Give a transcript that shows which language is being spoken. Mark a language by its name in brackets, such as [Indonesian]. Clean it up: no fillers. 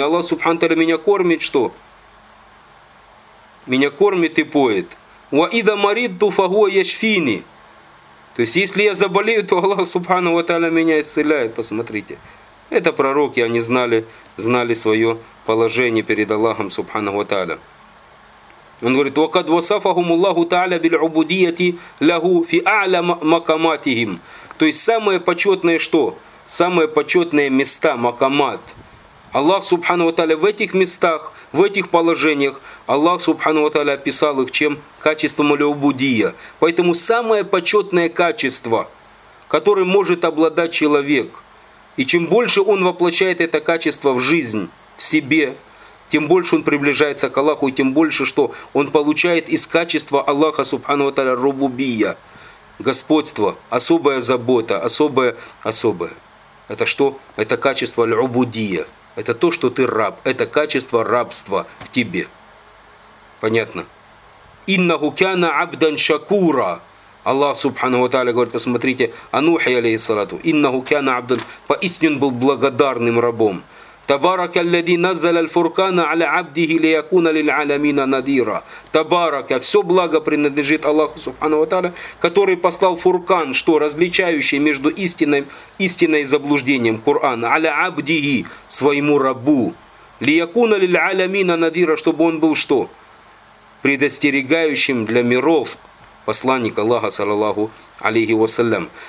[Russian] Аллах Субхан Тааля меня кормит, что? Меня кормит и поет. [Arabic] Ва ида маридту фахуа яшфини. [Russian] То есть, если я заболею, то Аллах Субхану ва Тааля меня исцеляет. Посмотрите. Это пророки, они знали свое положение перед Аллахом Субхану ва Тааля. Он говорит: [Arabic] وَقَدْ وَصَفَهُمُ اللَّهُ تَعَالَى بِالْعُبُودِيَّةِ لَهُ فِي أَعْلَى مَقَامَاتِهِمْ. [Russian] То есть самое почетное что? Самое почетное места, макамат. Аллах Субхану ва Тааля в этих местах, в этих положениях, Аллах Субхану ва Тааля описал их чем? Качеством аль-убудия. Поэтому самое почетное качество, которым может обладать человек, и чем больше он воплощает это качество в жизнь, в себе, тем больше он приближается к Аллаху, и тем больше, что он получает из качества Аллаха Субхану ва Тааля рубубия, господство, особая забота, особое. Это что? Это качество аль-убудия. Это то, что ты раб. Это качество рабства в тебе. Понятно? [Arabic] Иннаху кана абдан шакура. [Russian] Аллах Субхану ва Тааля говорит, посмотрите, Анухи алейхиссалату. [Arabic] Иннаху кана абдан. [Russian] Поистине он был благодарным рабом. [Arabic] تبارك الذي نزل الفرقان على عبده ليكون للعالمين نذيرا. تبارك. [Russian] Все благо принадлежит Аллаху Субхану ва Тааля, который послал фуркан, что различающий между истиной и заблуждением, Коран, [Arabic] على عبده, [Russian] своему рабу, [Arabic] ليكون للعالمين نذيرا, [Russian] чтобы он был что? Предостерегающим для миров, посланник Аллаха саллаллаху алейхи ва саллям.